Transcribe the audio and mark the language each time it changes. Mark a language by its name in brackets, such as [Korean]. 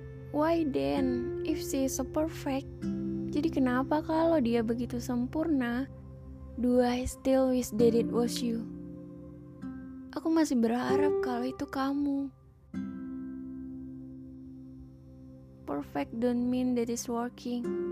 [English] Why then, if she is so perfect? [Indonesian] Jadi kenapa kalau dia begitu sempurna? [English] Do I still wish that it was you? [Indonesian] Aku masih berharap kalau itu kamu. [English] Perfect don't mean that it's working.